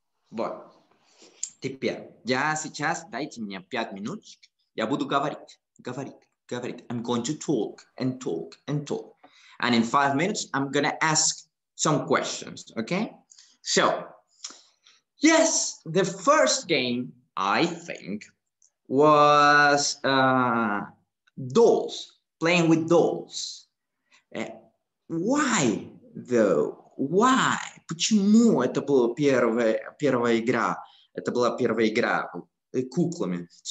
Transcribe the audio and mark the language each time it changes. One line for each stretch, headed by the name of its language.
Russian: But теперь, я сейчас, дайте мне 5 минуточек, я буду говорить.
English: I'm going to talk. And in 5 minutes, I'm going to ask some questions, okay? So, yes, the first game, I think, was dolls, playing with dolls. Why, though? Why?
Russian: Почему это была первая игра? Это была первая игра с куклами.